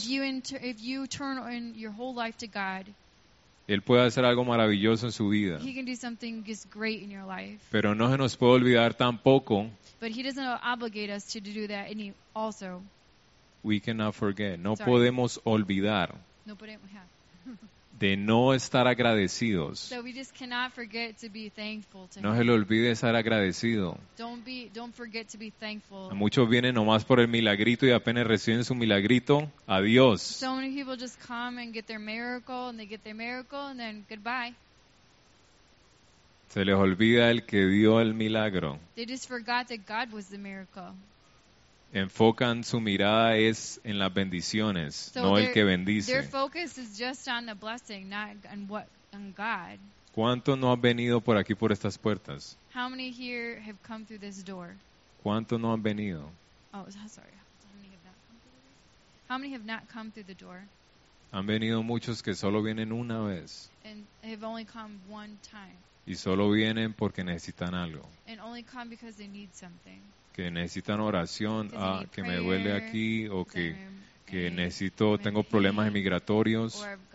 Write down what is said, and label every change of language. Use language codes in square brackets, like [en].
[en] If you turn in your whole life to God. [es] Él puede hacer algo maravilloso en su vida. [en] He can do something just great in your life. [es] Pero no se nos puede olvidar tampoco. [en] But He doesn't obligate us to do that any also. We cannot forget. [es] No podemos olvidar. No podemos, yeah. De no estar agradecidos. [en] So we just cannot forget to be thankful to [es] no [en] him. [es] Se le olvide estar agradecido. [en] Don't forget to be thankful. [es] Muchos vienen nomás por el milagrito y apenas reciben su milagrito. Adiós. [en] So many people just come and get their miracle and they get their miracle and then goodbye. [es] Se les olvida el que dio el milagro. [en] They just forgot that God was the miracle. [es] Enfocan su mirada es en las bendiciones, [en] so [es] no el que bendice. [en] Their focus is just on the blessing, not on what on God. [es] ¿Cuánto no han venido por aquí por estas puertas? [en] How many here have come through this door? [es] ¿Cuánto no han venido? [en] Oh, sorry. How many have not come through the door? [es] Han venido muchos que solo vienen una vez. [en] And have only come one time. [es] Y solo vienen porque necesitan algo. [en] And only come because they need something. [es] Que necesitan oración, que me duele aquí, o que necesito, tengo problemas migratorios.